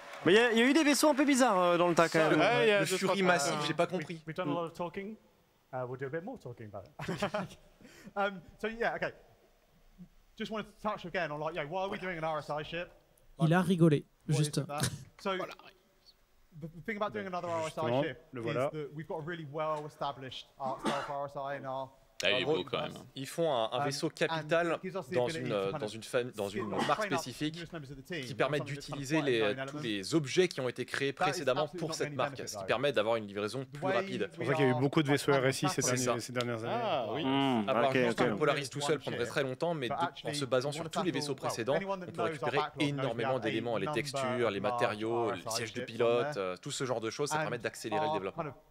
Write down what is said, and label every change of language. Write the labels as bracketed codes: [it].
[fr] Mais il y a eu des vaisseaux un peu bizarres dans le tas quand même. Ouais, le Fury massif, j'ai pas compris. [en] We've done a lot of talking. We'll do a bit more talking about it. So yeah, okay. Just wanted to touch again on like, yeah, why are we doing an RSI ship? [fr] Il a rigolé, juste. [en] So the thing about doing another RSI ship is that we've got a really well-established art style for RSI in our. [fr] Ah, il est beau quand même. Ils font un vaisseau capital dans une marque spécifique qui permet d'utiliser tous les objets qui ont été créés précédemment pour cette marque, ce qui permet d'avoir une livraison plus rapide. C'est pour ça qu'il y a eu beaucoup de vaisseaux RSI ces dernières années. Ah, oui. À part juste un Polaris tout seul prendrait très longtemps, mais en se basant sur tous les vaisseaux précédents, on peut récupérer énormément d'éléments, les textures, les matériaux, les sièges de pilote, tout ce genre de choses, ça permet d'accélérer le développement.